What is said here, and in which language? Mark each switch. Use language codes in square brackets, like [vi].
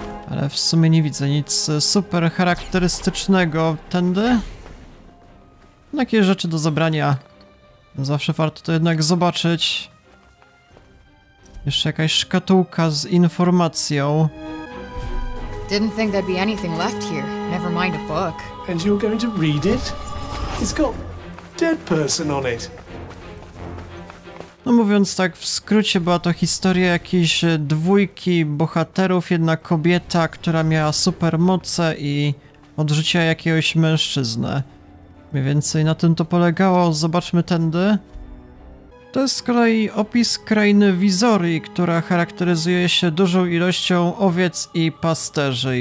[pl] Ale w sumie nie widzę nic super charakterystycznego. Tędy? Jakie rzeczy do zabrania? Zawsze warto to jednak zobaczyć. Jeszcze jakaś szkatułka z informacją. [en] Didn't think there'd be anything left here. Never mind a book. And you're going to read it? It's got dead person on it. [pl] No mówiąc tak w skrócie, była to historia jakiejś dwójki bohaterów, jedna kobieta, która miała super moce i odrzuciła jakiegoś mężczyznę. Mniej więcej na tym to polegało. Zobaczmy tędy. To jest z kolei opis krainy Wizorii, która charakteryzuje się dużą ilością owiec i pasterzy.